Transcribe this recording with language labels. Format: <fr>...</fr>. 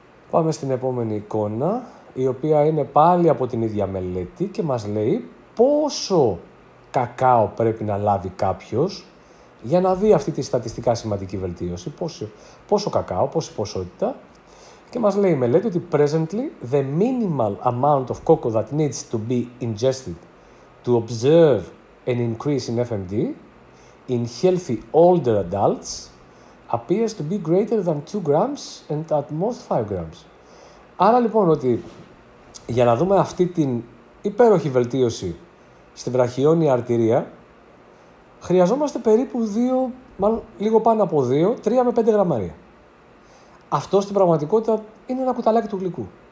<el>Πάμε στην επόμενη εικόνα, η οποία είναι πάλι από την ίδια μελέτη και μας λέει πόσο κακάο πρέπει να λάβει κάποιος για να δει αυτή τη στατιστικά σημαντική βελτίωση, πόσο κακάο, πόση ποσότητα. Και μας λέει η μελέτη ότι</el> <en>presently the minimal amount of cocoa that needs to be ingested to observe an increase in FMD in healthy older adults appears to be greater than 2 grams and at most 5 grams.</en> <el>Άρα λοιπόν ότι για να δούμε αυτή την υπέροχη βελτίωση στη βραχιώνια αρτηρία χρειαζόμαστε περίπου 2, μάλλον λίγο πάνω από 2, 3 με 5 γραμμάρια. Αυτό στην πραγματικότητα είναι ένα κουταλάκι του γλυκού.</el>